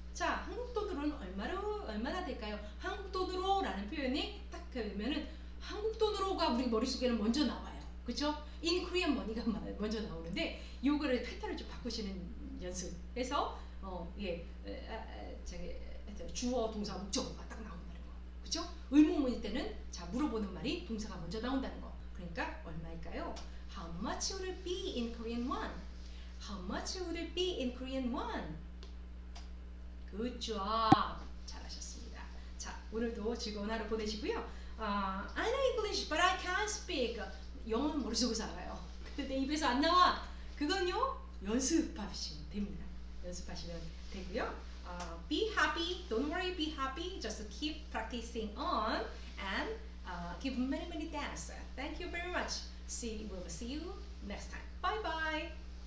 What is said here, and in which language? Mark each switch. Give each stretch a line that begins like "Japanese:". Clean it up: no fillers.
Korean: 자, 한국 돈으로는 얼마나 될까요? 한국 돈으로라는 표현이 딱 그러면은 한국 돈으로가 우리 머릿속에는 먼저 나와요. 그렇죠? In Korean money 가 먼저 나오는데 요거를 패턴을 좀 바꾸시는 연습해서 예, 저기 주어 동사 목적어가 딱 나온다는 거. 그렇죠? 의문문일 때는 자, 물어보는 말이 동사가 먼저 나온다는 거. 그러니까 얼마일까요?
English: How much would it be in Korean won? How much would it be in Korean won? Good job. 잘하셨습니다.
Korean: 자, 오늘도 즐거운 하루 보내시고요.
English: I know English, but I can't speak.
Korean: 영어는 머릿속에서 알아요. 근데 내 입에서 안 나와. 그건요, 연습하시면 됩니다.
English: 연습하시면 되고요. Be happy. Don't worry, be happy. Just keep practicing on and give many, many thanks. Thank you very much. We will see you next time. Bye bye.